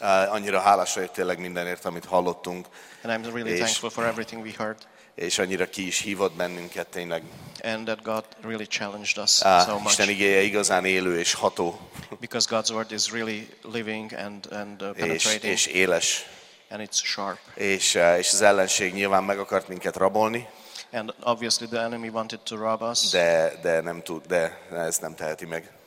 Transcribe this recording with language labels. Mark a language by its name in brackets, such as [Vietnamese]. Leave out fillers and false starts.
[Hungarian] Annyira hálás vagyok tényleg mindenért, amit hallottunk. [English] And I'm really thankful for everything we heard. [Hungarian] És annyira ki is hívott bennünket tényleg. [English] And that God really challenged us so much. [Hungarian] Isten igéje igazán élő és ható. [English] Because God's word is really living and penetrating. [Hungarian] És éles. [English] And it's sharp. [Hungarian] És az ellenség nyilván meg akart minket rabolni. [English] And obviously the enemy wanted to rob us. [Hungarian] De nem tud, de ez nem teheti meg.